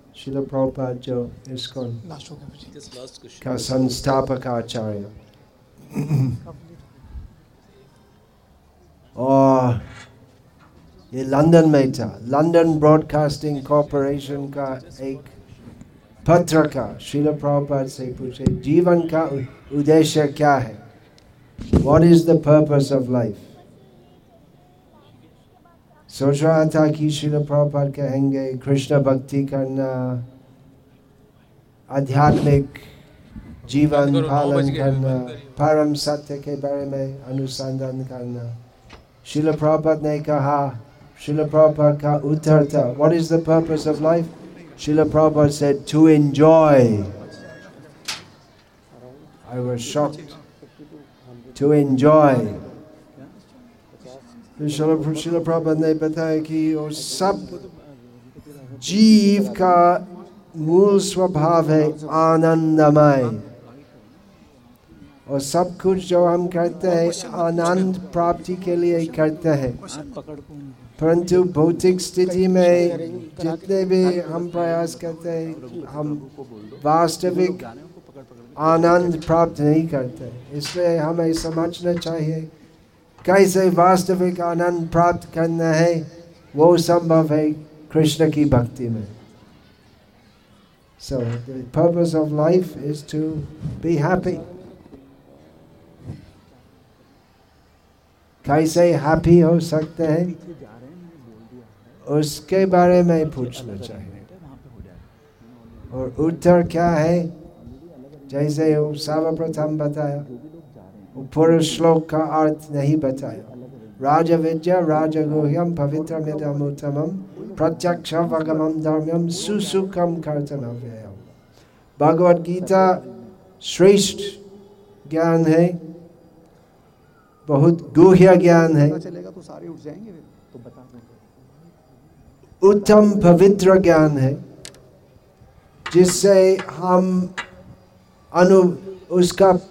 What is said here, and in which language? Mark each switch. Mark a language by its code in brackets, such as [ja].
[hi] श्रील प्रभुपाद जो इसकोन का संस्थापक आचार्य और ये लंदन में था. लंदन ब्रॉडकास्टिंग कॉरपोरेशन का एक पत्रकार श्रील प्रभुपाद से पूछे जीवन का उद्देश्य क्या है. [en] What is the purpose of life? [hi] सोच रहा था कि श्रील प्रभुपाद कहेंगे कृष्ण भक्ति करना, आध्यात्मिक जीवन पालन करना, परम सत्य के बारे में अनुसंधान करना. श्रील प्रभुपाद ने कहा, श्रील प्रभुपाद का उत्तर था [en] What is the purpose of life? Srila Prabhupada said to enjoy. I was shocked. To enjoy. [hi] Srila Prabhupada ne bataya ki sab jeev ka mool swabhav hai anandamay. Aur sab kuch jo hum karte hai anand prapti ke liye karte hai. Parantu bhautik sthiti mein jitne bhi hum prayas karte hai hum vastavik आनंद प्राप्त नहीं करते. इसलिए हमें समझना चाहिए कैसे वास्तविक आनंद प्राप्त करना है. वो संभव है कृष्ण की भक्ति में. [en] So the purpose of life is to be happy. [hi] कैसे हैप्पी हो सकते हैं उसके बारे में पूछना चाहिए. और उत्तर क्या है जैसे वो सर्वप्रथम बताया. वो पूरे श्लोक का अर्थ नहीं बताया. [sa] राजविद्या राजगुह्यम पवित्रमिदमुत्तमम् प्रत्यक्षावगमम् धर्म्यम् सुसुखम् कर्तव्यम्. [hi] भगवद गीता श्रेष्ठ ज्ञान है, बहुत गुह्य ज्ञान है, उत्तम पवित्र ज्ञान है, जिससे हम अनु उसका